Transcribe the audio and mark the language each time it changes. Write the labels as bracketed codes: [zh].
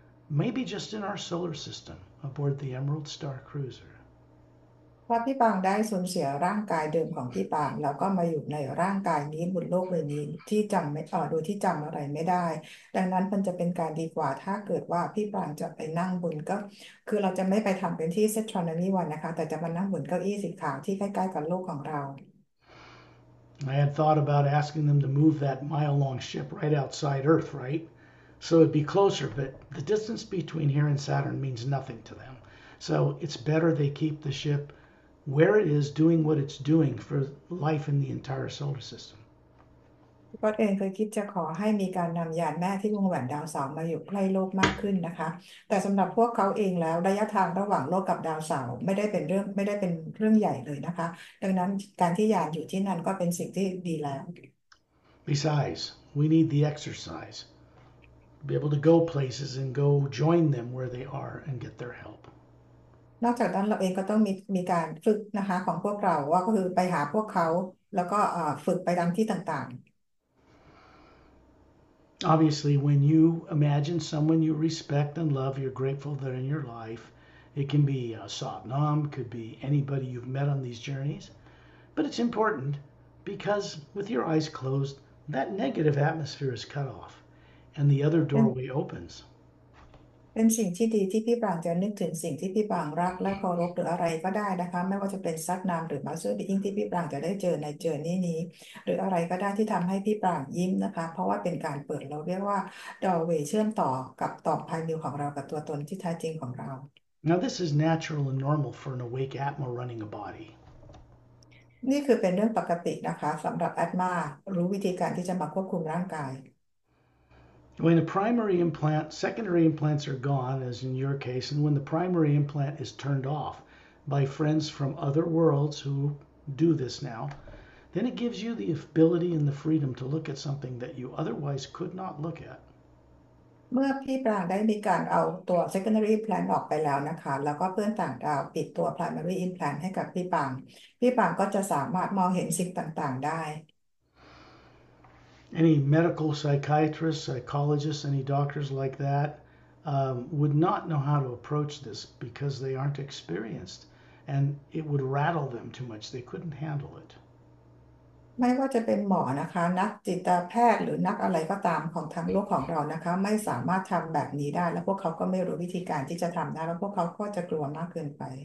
[en] Maybe just in our solar system aboard the Emerald Star Cruiser. [th] ว่าพี่ปางได้สูญเสียร่างกายเดิมของพี่ปางแล้วก็มาอยู่ในร่างกายนี้บนโลกใบนี้ที่จำไม่อ่อโดยที่จําอะไรไม่ได้ดังนั้นมันจะเป็นการดีกว่าถ้าเกิดว่าพี่ปางจะไปนั่งบนก็คือเราจะไม่ไปทําเป็นที่เซตรอนมีวันนะคะแต่จะมานั่งบนเก้าอี้สีขาวที่ใกล้ๆกับโลกของเรา [en] I had thought about asking them to move that mile-long ship right outside Earth, right? So it'd be closer, but the distance between here and Saturn means nothing to them. So it's better they keep the ship where it is, doing what it's doing for life in the entire solar system. [th] ก็เองเคยคิดจะขอให้มีการนำยานแม่ที่วงแหวนดาวเสาร์มาอยู่ใกล้โลกมากขึ้นนะคะแต่สำหรับพวกเขาเองแล้วระยะทางระหว่างโลกกับดาวเสาร์ไม่ได้เป็นเรื่องใหญ่เลยนะคะดังนั้นการที่ยานอยู่ที่นั่นก็เป็นสิ่งที่ดีแล้ว [en] Besides, we need the exercise to be able to go places and go join them where they are and get their help. [th] นอกจากนั้นเราเองก็ต้องมีการฝึกนะคะของพวกเราว่าก็คือไปหาพวกเขาแล้วก็ฝึกไปตามที่ต่างๆ [en] Obviously, when you imagine someone you respect and love, you're grateful they're in your life. It can be Sat Nam, could be anybody you've met on these journeys. But it's important because with your eyes closed, that negative atmosphere is cut off and the other doorway opens. [th] เป็นสิ่งที่ดีที่พี่ปรางจะนึกถึงสิ่งที่พี่ปรางรักและเคารพหรืออะไรก็ได้นะคะไม่ว่าจะเป็นซักนามหรือมาสเตอร์บีอิงที่พี่ปรางจะได้เจอในเจอร์นี้นี้หรืออะไรก็ได้ที่ทําให้พี่ปรางยิ้มนะคะเพราะว่าเป็นการเปิดเราเรียกว่าดอร์เวย์เชื่อมต่อกับต่อภายในของเรากับตัวตนที่แท้จริงของเรา [en] Now this is natural and normal for an awake Atma running a body. [th] นี่คือเป็นเรื่องปกตินะคะสําหรับแอตมารู้วิธีการที่จะมาควบคุมร่างกาย [en] When a primary implant, secondary implants are gone, as in your case, and when the primary implant is turned off by friends from other worlds who do this now, then it gives you the ability and the freedom to look at something that you otherwise could not look at. [th] เมื่อพี่ปรางได้มีการเอาตัว secondary implant ออกไปแล้วนะคะแล้วก็เพื่อนต่างดาวปิดตัว primary implant ให้กับพี่ปรางพี่ปรางก็จะสามารถมองเห็นสิ่งต่างๆได้ [en] Any medical psychiatrist, psychologist, any doctors like that would not know how to approach this because they aren't experienced and it would rattle them too much. They couldn't handle it. [th] ไม่ว่าจะเป็นหมอนะคะนักจิตแพทย์หรือนักอะไรก็ตามของทางโลกของเรานะคะไม่สามารถทําแบบนี้ได้แล้วพวกเขาก็ไม่รู้วิธีการที่จะทําได้แล้วพวกเขาก็จะกลัวมากเกินไป